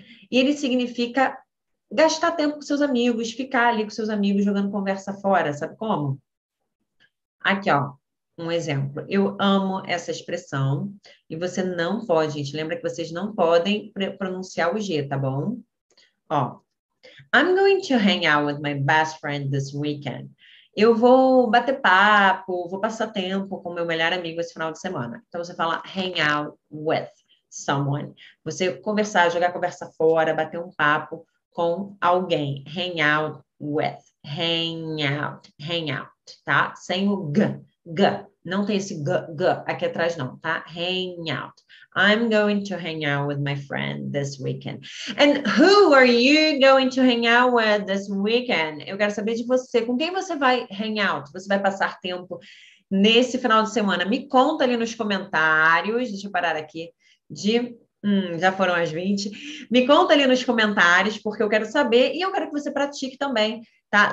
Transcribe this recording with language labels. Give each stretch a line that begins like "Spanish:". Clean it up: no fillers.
Portuguese: E ele significa gastar tempo com seus amigos, ficar ali com seus amigos jogando conversa fora, sabe como? Aqui, ó, um exemplo. Eu amo essa expressão e você não pode, gente. Lembra que vocês não podem pronunciar o G, tá bom? Ó,
English: I'm going to hang out with my best friend this weekend.
Portuguese: Eu vou bater papo, vou passar tempo com meu melhor amigo esse final de semana. Então você fala
English: hang out with someone.
Portuguese: Você conversar, jogar conversa fora, bater um papo com alguém, hang out with, hang out, tá? Sem o g, não tem esse g aqui atrás não, tá? Hang out.
English: I'm going to hang out with my friend this weekend. And who are you going to hang out with this weekend?
Portuguese: Eu quero saber de você, com quem você vai
English: hang out?
Portuguese: Você vai passar tempo nesse final de semana? Me conta ali nos comentários, deixa eu parar aqui, já foram as 20. Me conta ali nos comentários, porque eu quero saber e eu quero que você pratique também, tá?